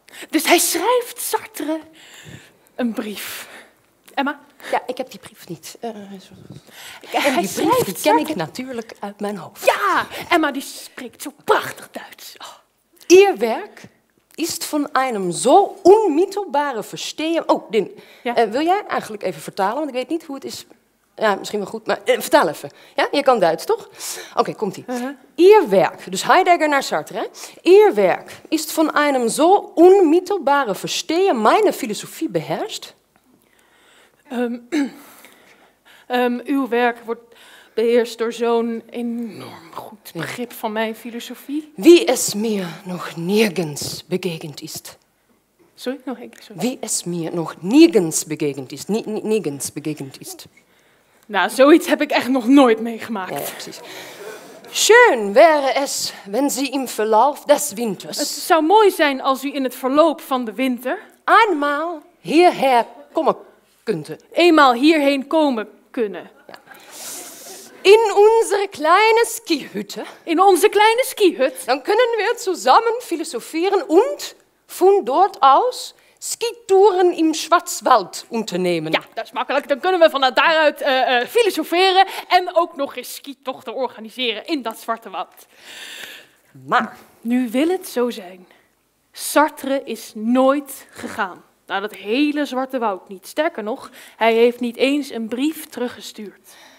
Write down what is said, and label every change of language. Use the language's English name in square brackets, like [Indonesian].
[Dutch] Dus hij schrijft Sartre een brief. Emma? Ja, ik heb die brief niet. Die brief die ken ik natuurlijk uit mijn hoofd. Ja, Emma die spreekt zo prachtig Duits. Oh. [German] Ihr Werk ist von einem so unmittelbaren Verstehen. [Dutch] Oh, Din, ja? Wil jij eigenlijk even vertalen? Want ik weet niet hoe het is. Ja, misschien wel goed, maar vertel even. Ja, je kan Duits, toch? Oké, komt-ie. [German] Ihr Werk, [Dutch] dus Heidegger naar Sartre. [German] Ihr Werk ist von einem so unmittelbaren Verstehen meine Philosophie beherrscht? [Dutch] Uw werk wordt beheerst door zo'n enorm goed begrip van mijn filosofie. [German] Wie es mir noch nirgends begegend ist. [Dutch] Sorry, nog een keer. [German] Wie es mir noch nirgends begegend ist. Nirgends begegend ist. [Dutch] Nou, zoiets heb ik echt nog nooit meegemaakt. Ja, ja, precies. [German] Schön wäre es, wenn Sie im Verlauf des Winters... [Dutch] Het zou mooi zijn als u in het verloop van de winter... [German] ...einmal hierher komen kunnen. [Dutch] Eenmaal hierheen komen kunnen. [German] Ja. In unsere kleine Skihütte... [Dutch] In onze kleine skihut. Dan kunnen we samen filosoferen [German] und von dort aus... Skitouren im Schwarzwald unternehmen. [Dutch] Ja, dat is makkelijk. Dan kunnen we van daaruit filosoferen en ook nog eens skitochten organiseren in dat Zwarte Woud. Maar. Nu wil het zo zijn. Sartre is nooit gegaan naar dat hele Zwarte Woud niet. Sterker nog, hij heeft niet eens een brief teruggestuurd.